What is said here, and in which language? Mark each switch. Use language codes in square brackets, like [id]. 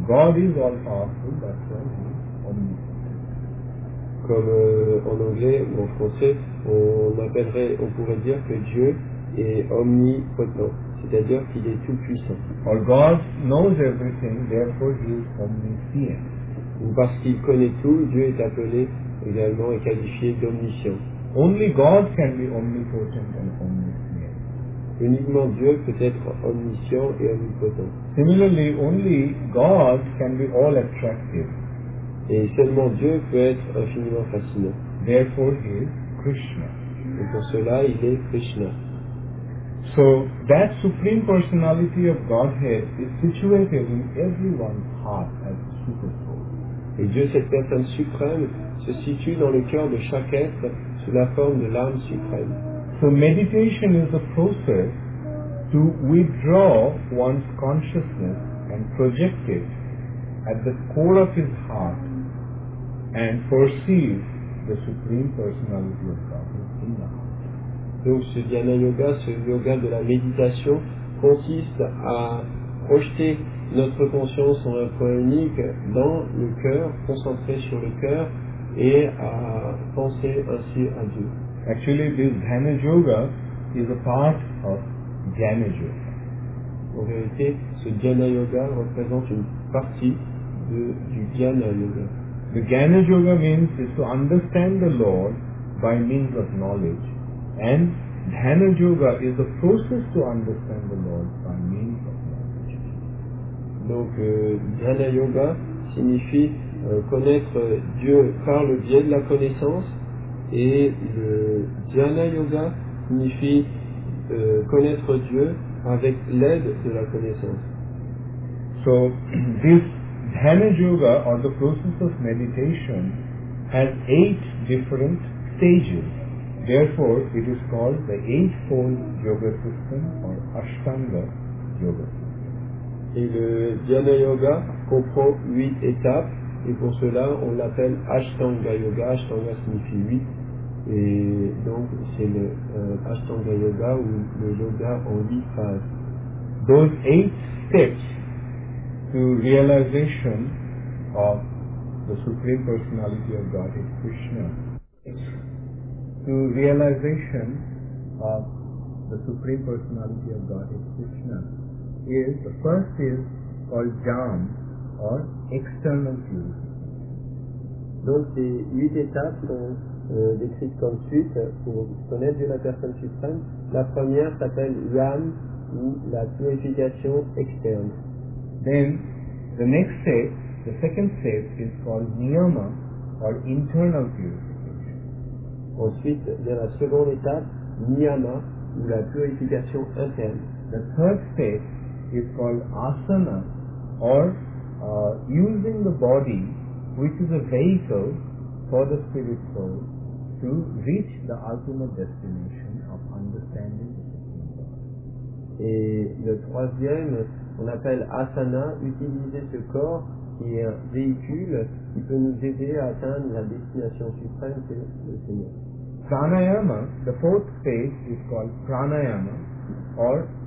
[en] God is all powerful, that's why he is omnipotent. [fr] Comme en anglais ou en français, on pourrait dire que Dieu est omnipotent, c'est-à-dire qu'il est tout puissant. [en] Or God knows everything, therefore he is omniscient. [fr] Ou parce qu'il connaît tout, Dieu est appelé également et qualifié d'omniscient. [en] Only God can be omnipotent and omniscient. [fr] Uniquement Dieu peut être omniscient et omnipotent. [en] Similarly, only God can be all attractive. [fr] Et seulement Dieu peut être infiniment fascinant. [en] Therefore, he is Krishna. [fr] Et pour cela, il est Krishna. [en] So that supreme personality of Godhead is situated in everyone's heart as a super soul. [fr] Et Dieu, cette personne suprême, se situe dans le cœur de chaque être sous la forme de l'âme suprême. [en] So meditation is a process to withdraw one's consciousness and project it at the core of his heart and perceive the supreme personality of God in the heart. [fr] Donc ce Dhyana Yoga, ce yoga de la méditation, consiste à projeter notre conscience en un point unique dans le cœur, concentré sur le cœur, et à penser ainsi à Dieu. [en] Actually, this Dhyana Yoga is a part of Dhyana Yoga. [fr] En réalité, ce Dhyana Yoga représente une partie du Dhyana Yoga. [en] The Dhyana Yoga means is to understand the Lord by means of knowledge, and Dhyana Yoga is the process to understand the Lord by means of knowledge. [fr] Donc, Dhyana Yoga signifie connaître Dieu par le biais de la connaissance, et le Dhyana Yoga signifie connaître Dieu avec l'aide de la connaissance. [en] So, this Dhyana Yoga, or the process of meditation, has 8 different stages. Therefore, it is called the Eightfold Yoga System, or Ashtanga Yoga. [fr] Et le Dhyana Yoga comprend 8 étapes, et pour cela on l'appelle Ashtanga Yoga. Ashtanga signifie 8, et donc c'est le Ashtanga Yoga, ou le yoga en 8 phases. [en] Those 8 steps to realization of the Supreme Personality of Godhead Krishna, the first is called jam, or external purification. [fr] Donc ces 8 étapes sont décrites comme suite pour connaître Dieu, la personne suprême. La première s'appelle jam, ou la purification externe. [en] Then the next step, the second step, is called niyama, or internal purification. [fr] Ensuite vient la seconde étape, niyama, ou la purification interne. [en] The third step is called asana, or using the body, which is a vehicle for the spirit soul to reach the ultimate destination of understanding the Supreme Lord. [fr] Et le troisième, on appelle asana, utiliser ce corps qui est un véhicule qui peut nous aider à atteindre la destination suprême, c'est le Seigneur. [en] Pranayama, the fourth stage, is called pranayama, or